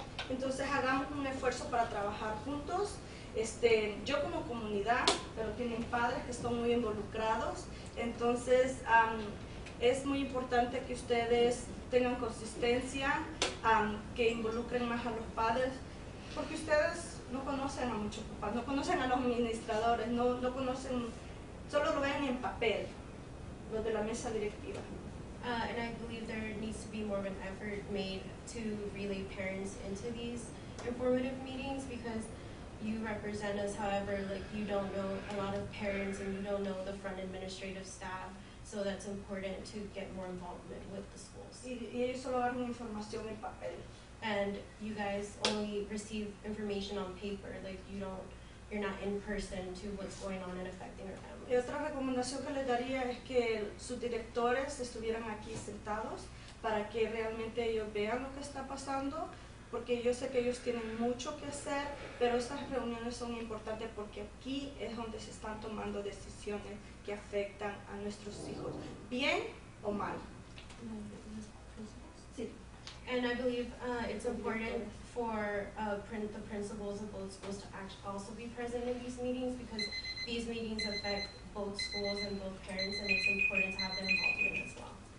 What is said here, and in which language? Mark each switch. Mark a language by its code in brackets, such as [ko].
[es] Entonces hagamos un esfuerzo para trabajar juntos. Yo como comunidad, pero tienen padres que están muy involucrados. Entonces es muy importante que ustedes tengan consistencia que involucren más a los padres, porque ustedes no conocen a muchos papás, no conocen a los administradores, no conocen, solo lo ven en papel, los de la mesa directiva. [en] And I believe there needs to be more of an effort made to relay parents into these informative meetings, because you represent us, however, like, you don't know a lot of parents and you don't know the front administrative staff, so that's important to get more involvement with the schools. [es] Y ellos solo dan información en papel. [en] And you guys only receive information on paper, like, you don't, you're not in person to what's going on and affecting our families. [es] Y otra recomendación que les daría es que sus directores estuvieran aquí sentados para que realmente ellos vean lo que está pasando, porque yo sé que ellos tienen mucho que hacer, pero estas reuniones son importantes porque aquí es donde se están tomando decisiones que afectan a nuestros hijos, bien o mal. Sí. [en] And I believe it's important for the principals of both schools to also be present in these meetings, because these meetings affect both schools and both parents, and it's important to have them involved in as well.